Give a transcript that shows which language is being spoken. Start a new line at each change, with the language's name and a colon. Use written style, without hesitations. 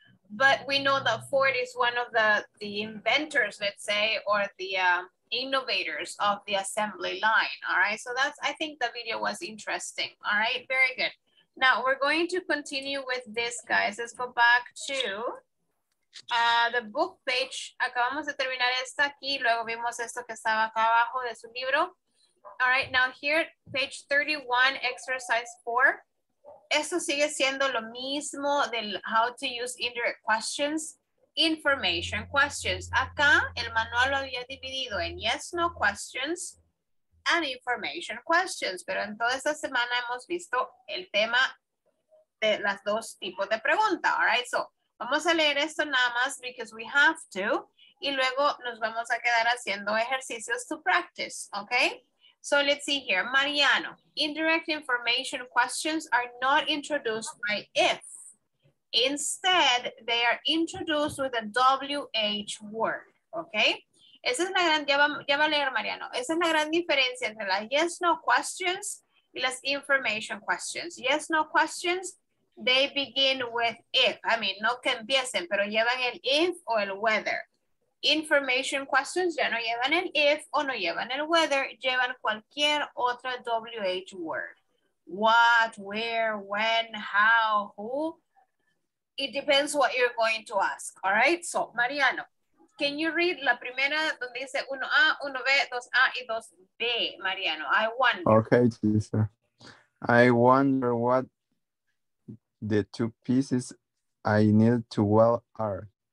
English: But we know that Ford is one of the inventors, let's say, or the... innovators of the assembly line. All right, so that's, I think the video was interesting. All right, very good. Now we're going to continue with this, guys. Let's go back to the book page.
Spanish: Acabamos de terminar esta aquí, luego vimos esto que estaba acá abajo de su libro.
English: All right, now here, page 31, exercise 4.
Spanish: Esto sigue siendo lo mismo del
English: how to use indirect questions. Information questions.
Spanish: Acá el manual lo había dividido en
English: yes, no questions and information questions.
Spanish: Pero en toda esta semana hemos visto el tema de las dos tipos de pregunta.
English: All right, so
Spanish: vamos a leer esto nada más
English: because we have to.
Spanish: Y luego nos vamos a quedar haciendo ejercicios
English: to practice. Okay, so let's see here. Mariano, indirect information questions are not introduced by if. Instead, they are introduced with a WH word, okay?
Spanish: Esa es la gran, ya va a leer Mariano. Esa es la gran diferencia entre las
English: yes, no questions
Spanish: y las
English: information questions. Yes, no questions, they begin with if. I mean,
Spanish: no que empiecen, pero llevan el if o el whether. Information questions ya no llevan el if o no llevan el whether, llevan cualquier otra WH word.
English: What, where, when, how, who. It depends what you're going to ask, all right? So, Mariano, can you read
Spanish: la primera donde dice
English: 1A, 1B, 2A y 2B, Mariano? I wonder. Okay, teacher. I wonder what the two pieces I need to weld are.